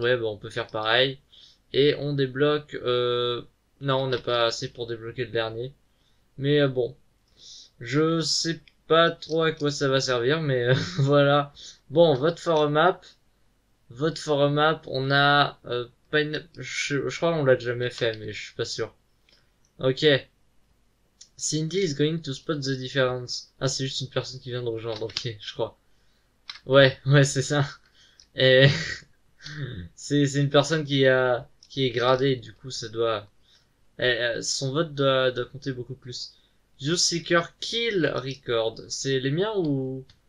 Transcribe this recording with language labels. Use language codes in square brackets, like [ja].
[fr] Ouais, bon, on peut faire pareil. Et on débloque. Non, on n'a pas assez pour débloquer le dernier. Mais bon. Je sais pas trop à quoi ça va servir, mais voilà. Bon, [en] vote for a map. Vote for a map, [fr] on a pas une. Je crois qu'on l'a jamais fait, mais je suis pas sûr. Ok. [en] Cindy is going to spot the difference. [fr] Ah, c'est juste une personne qui vient de rejoindre, ok, je crois. Ouais, c'est ça. Et. C'est une personne qui est gradée, du coup, ça doit. Son vote doit compter beaucoup plus. [en] You seeker kill record. [fr] C'est les miens ou.